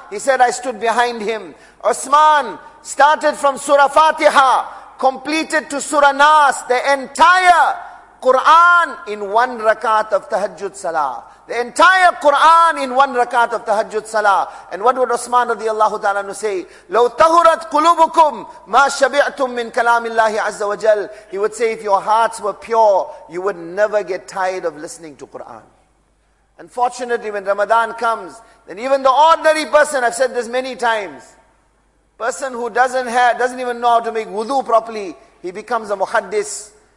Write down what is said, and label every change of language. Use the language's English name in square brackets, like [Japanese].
[English] He said, I stood behind him. Usman started from Surah Fatiha, completed to Surah Nas, the entire Quran in one rakat of tahajjud salah. The entire Quran in one rakat of tahajjud salah. And what would Usman radiallahu ta'ala anhu say? [Arabic] لو تهرت قلوبكم ما شبعتم من كلام الله عز وجل. [English] He would say, if your hearts were pure, you would never get tired of listening to Quran. Unfortunately, when Ramadan comes, then even the ordinary person, I've said this many times, person who doesn't even know how to make wudu properly, he becomes a muhaddis.